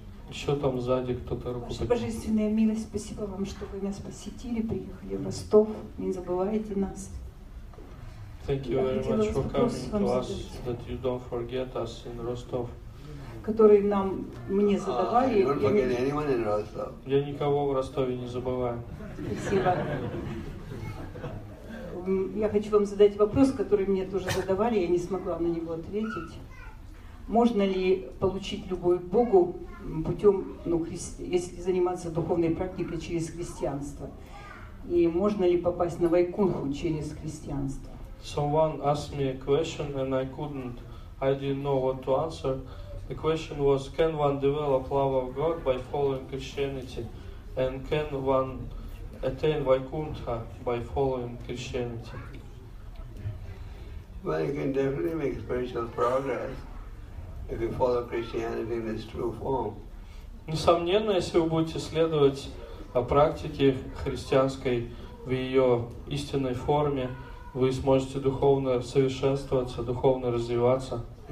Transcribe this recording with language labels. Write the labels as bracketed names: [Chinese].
[Russian] Еще там сзади кто-то руку. Ваша божественная милость, спасибо вам, что вы нас посетили, приехали в Ростов. Не забывайте нас. [English] Thank you very much for coming to us, that you don't forget us in Rostov. [Russian] Которые нам мне задавали. [English] Don't forget anyone in Rostov. [Russian] Я никого в Ростове не забываю. Спасибо. Я хочу вам задать вопрос, который мне тоже задавали, я не смогла на него ответить. Можно ли получить любовь к Богу путем, ну, если заниматься духовной практикой через христианство? И можно ли попасть на Вайкунху через христианство? [English] Someone asked me a question and I didn't know what to answer. The question was, can one develop love of God by following Christianity? And can one attain Vaikuntha by following Christianity? Well, you can definitely make spiritual progress if you follow Christianity in its true form. [Russian] Несомненно, если вы будете следовать практике христианской в ее истинной форме, вы сможете духовно совершенствоваться, духовно развиваться.